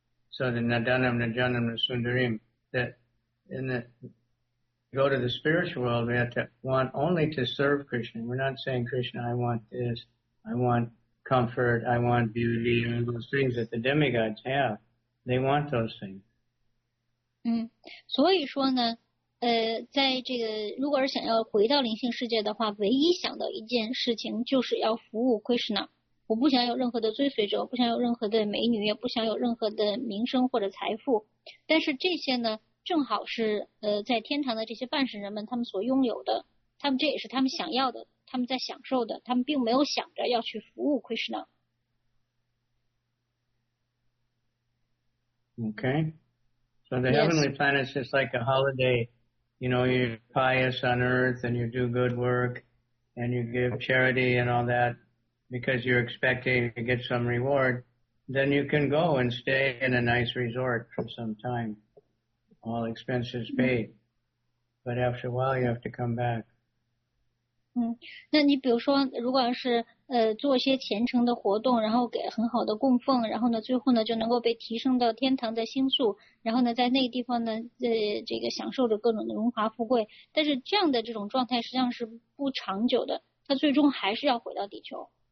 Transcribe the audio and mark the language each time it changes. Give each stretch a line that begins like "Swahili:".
English: So the Nadanam Najanam Nasundarim, that in the go to the spiritual world, we have to want only to serve Krishna. We're not saying, Krishna, I want this, I want comfort, I want beauty, and those things that the demigods have. They want those things.
Chinese: 所以说呢，在这个如果是想要回到灵性世界的话，唯一想到一件事情就是要服务 Krishna。我不想有任何的追随者，不想有任何的美女，也不想有任何的名声或者财富。但是这些呢，正好是在天堂的这些半神人们他们所拥有的，他们这也是他们想要的，他们在享受的，他们并没有想着要去服务 Krishna。
English: Okay, so the heavenly planet is just like a holiday. You know, you're pious on earth and you do good work and you give charity and all that. Because you're expecting to get some reward, then you can go and stay in a nice resort for some time, all expenses paid. But after a while, you have to come back.
Chinese: 那你比如说，如果是做一些虔诚的活动，然后给很好的供奉，然后呢，最后呢就能够被提升到天堂的星宿，然后呢，在那个地方呢，这个享受着各种的荣华富贵。但是这样的这种状态实际上是不长久的，它最终还是要回到地球。